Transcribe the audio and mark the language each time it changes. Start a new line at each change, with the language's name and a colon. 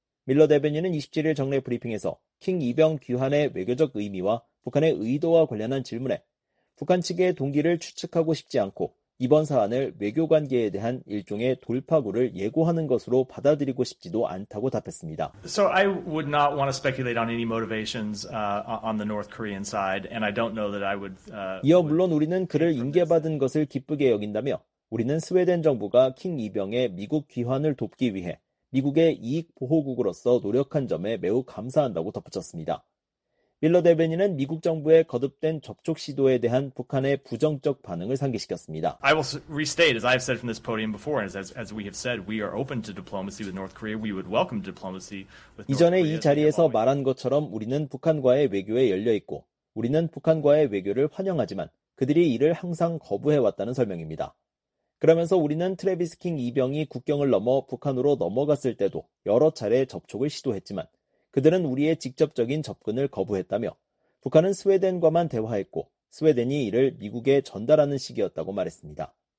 Korean: 밀러 대변인은 27일 정례 브리핑에서 킹 이병 귀환의 외교적 의미와 북한의 의도와 관련한 질문에 북한 측의 동기를 추측하고 싶지 않고 이번 사안을 외교 관계에 대한 일종의 돌파구를 예고하는 것으로 받아들이고 싶지도 않다고 답했습니다.
English: So I would not want to speculate on any motivations on the North Korean side, and I don't know that I would.
Korean: 이어 물론 우리는 그를 인계받은 것을 기쁘게 여긴다며 우리는 스웨덴 정부가 킹 이병의 미국 귀환을 돕기 위해 미국의 이익 보호국으로서 노력한 점에 매우 감사한다고 덧붙였습니다. 밀러 대변인은 미국 정부의 거듭된 접촉 시도에 대한 북한의 부정적 반응을 상기시켰습니다.
English: I will restate as I've said from this podium before and as we have said we are open to diplomacy with North Korea. We would welcome diplomacy with North Korea.
Korean: 이전에 이 자리에서 말한 것처럼 우리는 북한과의 외교에 열려 있고 우리는 북한과의 외교를 환영하지만 그들이 이를 항상 거부해 왔다는 설명입니다. 그러면서 우리는 트래비스 킹 이병이 국경을 넘어 북한으로 넘어갔을 때도 여러 차례 접촉을 시도했지만 그들은 우리의 직접적인 접근을 거부했다며 북한은 스웨덴과만 대화했고 스웨덴이 이를 미국에 전달하는 시기였다고 말했습니다.